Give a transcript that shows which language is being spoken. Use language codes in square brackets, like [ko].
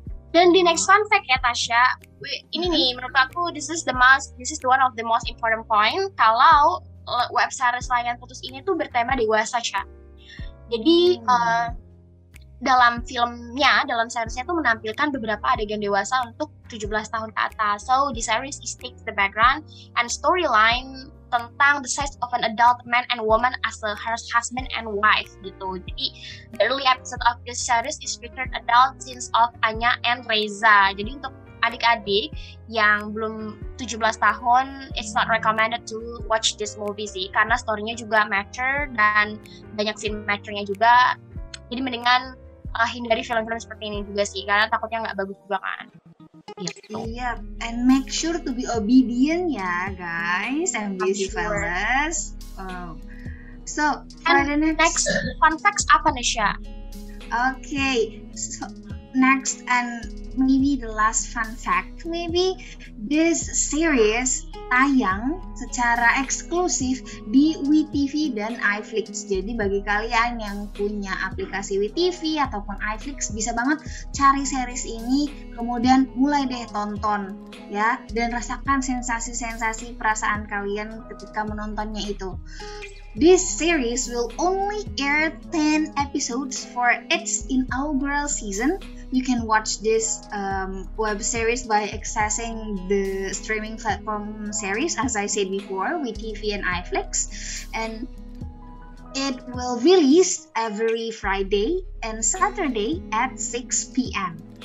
[id] Dan di next fun fact ya Tasha, ini nih menurut aku [en] this is one of the most important point [id] kalau web series Layangan Putus ini tuh bertema dewasa, Cha. Jadi dalam filmnya, dalam seriesnya tuh menampilkan beberapa adegan dewasa untuk 17 tahun ke atas. [en] So, the series is takes the background and storyline tentang the size of an adult man and woman as a husband and wife, gitu. Jadi, the early episode of this series is featured adult scenes of Anya and Reza. [id] Jadi, untuk adik-adik yang belum 17 tahun, [en] it's not recommended to watch this movie [id] sih, karena story-nya juga mature dan banyak scene mature-nya juga. Jadi mendingan hindari film-film seperti ini juga sih, karena takutnya nggak bagus juga kan. [en] Iya, and make sure to be obedient ya guys, MBC fellas. So, for the next [id] fun facts apa nih, Sya? [en] Okay, so next and maybe the last fun fact, maybe this series [id] tayang secara eksklusif di WeTV dan iFlix. Jadi bagi kalian yang punya aplikasi WeTV ataupun iFlix, bisa banget cari series ini, kemudian mulai deh tonton ya, dan rasakan sensasi-sensasi perasaan kalian ketika menontonnya itu. [en] This series will only air 10 episodes for its inaugural season. You can watch this web series by accessing the streaming platform series, as I said before, WeTV and iFlix. And it will release every Friday and Saturday at 6 p.m.